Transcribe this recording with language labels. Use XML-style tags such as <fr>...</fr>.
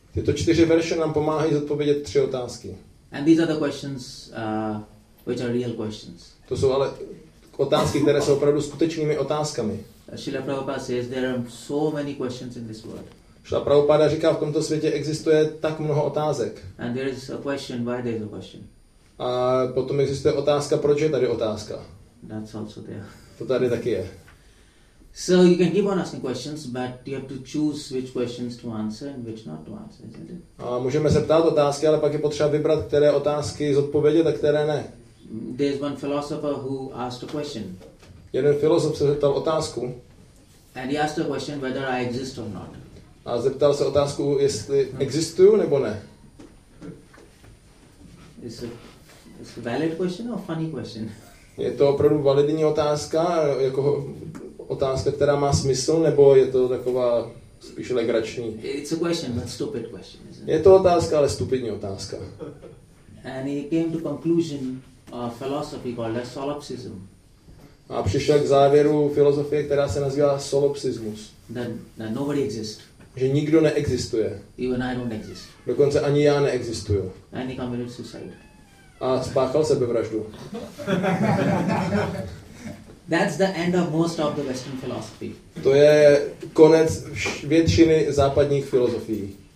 <cs>Tyto čtyři verše nám pomáhají zodpovědět tři otázky.</cs> <en>And these are the questions which are real questions.</en> <cs>To jsou ale otázky, které jsou opravdu skutečnými otázkami.</cs> <en>Srila Prabhupada says there are so many questions in this world.</en> <cs>Srila Prabhupada říká, v tomto světě existuje tak mnoho otázek.</cs> <en>And there is a question, why there is a question.</en> <cs>A potom existuje otázka, proč je tady otázka.</cs> <en>That's also there.</en> <cs>To tady taky je.</cs> <en>So you can keep on asking questions, but you have to choose which questions to answer and which not to answer, isn't it?</en> <cs>A můžeme se ptát otázky, ale pak je potřeba vybrat, které otázky zodpovědět a které ne.</cs> <en>There's one philosopher who asked a question.</en> <cs>Jeden filozof se zeptal otázku.</cs> <en>And he asked a question whether I exist or not.</en> <cs>A zeptal se otázku, jestli existuju nebo ne.</cs> <en>Is it a valid question or funny question?</en> <cs>Je to opravdu validní otázka, jako otázka, která má smysl, nebo je to taková spíš legrační?</cs> <en>It's a question, but stupid question, isn't it?</en> <cs>Je to otázka, ale stupidní otázka.</cs> <en>And he came to conclusion of philosophy called solipsism.</en> <cs>A přišel k závěru filozofie, která se nazývá solipsismus.</cs> <en>That nobody exists.</en> <cs>Že nikdo neexistuje.</cs> <en>Even I don't exist.</en> <cs>Dokonce ani já neexistuju.</cs> <en>And he committed suicide.</en> <cs>A spáchal sebevraždu.</cs> <en>That's the end of most of the Western philosophy.</en> <cs>To je konec většiny západních filozofií.</cs>